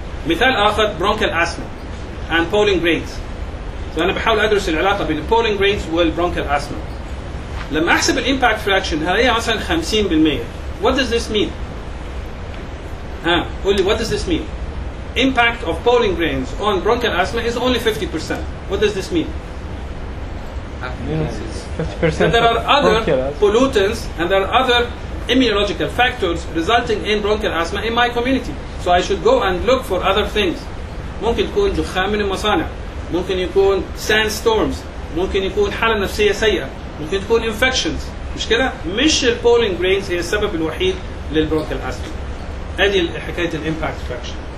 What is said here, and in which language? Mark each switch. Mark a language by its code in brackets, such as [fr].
[ar] مثال آخر, [en] bronchial asthma and pollen grains. [ar] فأنا بحاول أدرس العلاقة بين pollen grains والbronchial asthma. لما أحسب الimpact fraction, هل هي مثلا 50%؟ [en] What does this mean? [ar] قولي, [en] what does this mean? Impact of pollen grains on bronchial asthma is only 50%. What does this mean? And there are other pollutants and there are other immunological factors resulting in bronchial asthma in my community. So I should go and look for other things. [ar] ممكن يكون دخان من المصانع. ممكن يكون sandstorms. ممكن يكون حالة نفسية سيئة. ممكن يكون infections. مش كده؟ مش البولين جرينز هي السبب الوحيد للبرونكيال أسما. هذه حكاية الإمباكت فاكشن.